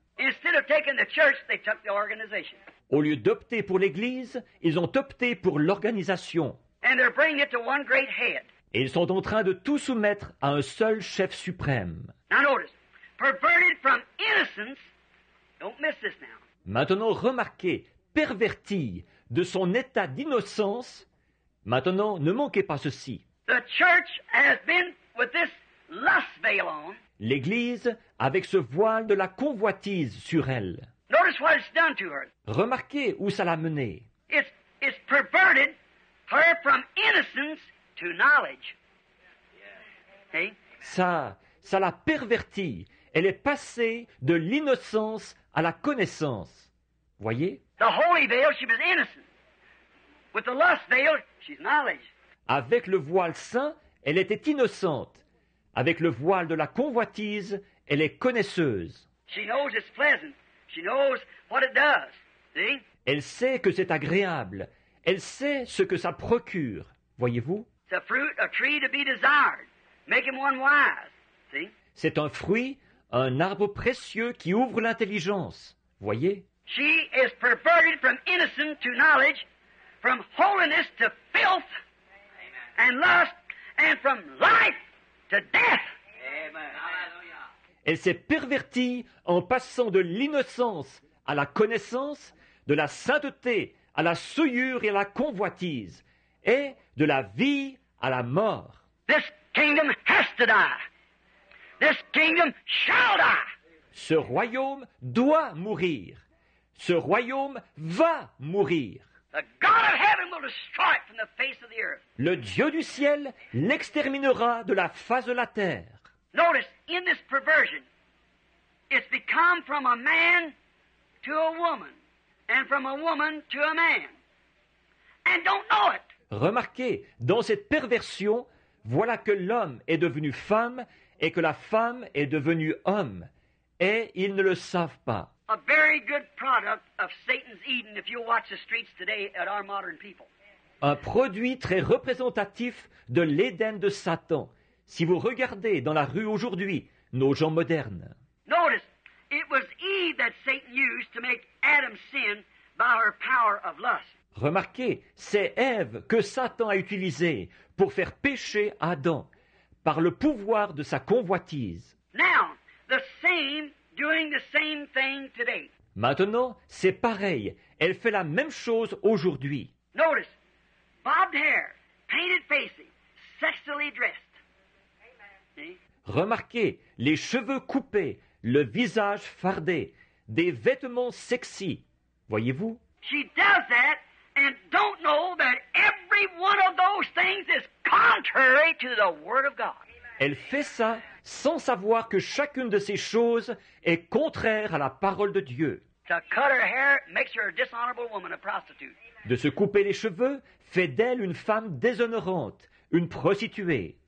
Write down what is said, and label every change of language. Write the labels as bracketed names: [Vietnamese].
[English] Instead of taking the church, they took the organization. [French] Au lieu d'opter pour l'Église, ils ont opté pour l'organisation. [English] And they're bringing it to one great head. [French] Et ils sont en train de tout soumettre à un seul chef suprême. [English] Now notice, perverted from innocence, don't miss this now. [French] Maintenant, remarquez, perverti de son état d'innocence. Maintenant, ne manquez pas ceci. [English] The church has been with this lust veil on. [French] L'Église avec ce voile de la convoitise sur elle. [English] Notice what it's done to her. [French] Remarquez où ça l'a menée. [English] It's perverted her from innocence to knowledge. Okay? [French] Ça l'a pervertie. Elle est passée de l'innocence à la connaissance. Voyez? [English] The holy veil, she was innocent. With the lust veil, she's knowledge. [French] Avec le voile saint, elle était innocente. Avec le voile de la convoitise, elle est connaisseuse. [English] She knows it's pleasant. She knows what it does. See? [French] Elle sait que c'est agréable. Elle sait ce que ça procure. Voyez-vous? [English] It's a fruit, a tree to be desired, making one wise. See? [French] C'est un fruit, un arbre précieux qui ouvre l'intelligence. Voyez? [English] She is perverted from innocence to knowledge, from holiness to filth and lust, and from life. To death. Amen. Hallelujah. [French] Elle s'est pervertie en passant de l'innocence à la connaissance, de la sainteté à la souillure et à la convoitise, et de la vie à la mort. [English] This kingdom has to die. This kingdom shall die. [French] Ce royaume doit mourir. Ce royaume va mourir. [English] The God of heaven will destroy it from the face of the earth. [French] Le Dieu du ciel l'exterminera de la face de la terre. [English] Notice, in this perversion, it's become from a man to a woman, and from a woman to a man, and don't know it. [French] Remarquez, dans cette perversion, voilà que l'homme est devenu femme et que la femme est devenue homme, et ils ne le savent pas. [English] A very good product of Satan's Eden, if you watch the streets today at our modern people. [French] Un produit très représentatif de l'Éden de Satan, si vous regardez dans la rue aujourd'hui, nos gens modernes. [English] Notice, it was Eve that Satan used to make Adam sin by her power of lust. [French] Remarquez, c'est Ève que Satan a utilisé pour faire pécher Adam par le pouvoir de sa convoitise. [English] Now, the same doing the same thing today. [French] Maintenant, c'est pareil. Elle fait la même chose aujourd'hui. [English] Notice, bobbed hair, painted faces, sexually dressed. Amen. [French] Remarquez, les cheveux coupés, le visage fardé, des vêtements sexy. Voyez-vous? [English] She does that. And don't know that every one of those things is contrary to the Word of God. [French] Elle fait ça sans savoir que chacune de ces choses est contraire à la parole de Dieu. [English] To cut her hair makes her a dishonorable woman, a prostitute. [French] De se couper les cheveux fait d'elle une femme déshonorante, une prostituée.